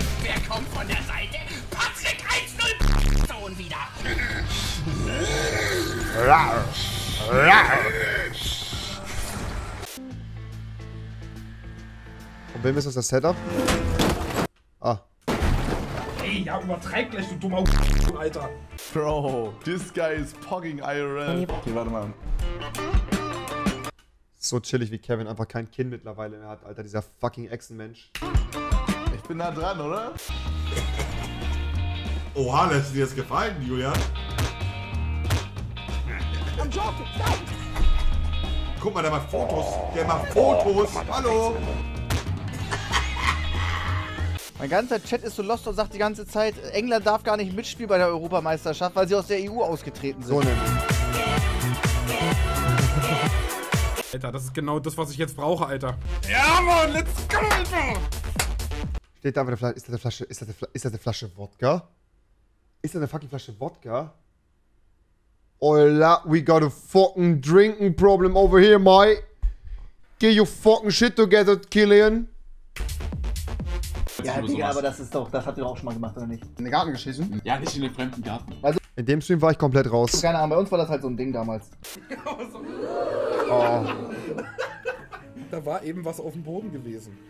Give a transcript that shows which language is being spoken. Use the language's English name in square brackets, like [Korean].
[German] Wer kommt von der Seite? Patrick 1-0 und wieder. Und wem ist das Setup? Ah. Ey, ja, übertreib gleich, du dummer Alter. [English] Bro, this guy is pogging IRL. [German] Okay, warte mal. So chillig wie Kevin einfach kein Kind mittlerweile mehr hat, Alter, dieser fucking Echsenmensch. Ich bin da dran, oder? Oha, lässt dir das gefallen, Julian? Guck mal, der macht Fotos. Der macht Fotos. Hallo. Mein ganzer Chat ist so lost und sagt die ganze Zeit, England darf gar nicht mitspielen bei der Europameisterschaft, weil sie aus der EU ausgetreten sind. So nämlich. Alter, das ist genau das, was ich jetzt brauche, Alter. Ja, Mann, [English] let's go, [German] Alter. Steht da, ist das eine Flasche Wodka? Ist das eine fucking Flasche Wodka? [English] Ola, we got a fucking drinking problem over here, mate. Get your fucking shit together, Killian. [German] Ja, Digga, aber das ist doch, das habt ihr doch auch schon mal gemacht, oder nicht? In den Garten geschissen? Ja, nicht in den fremden Garten. Also, in dem Stream war ich komplett raus. Keine Ahnung, bei uns war das halt so ein Ding damals. Oh. Da war eben was auf dem Boden gewesen.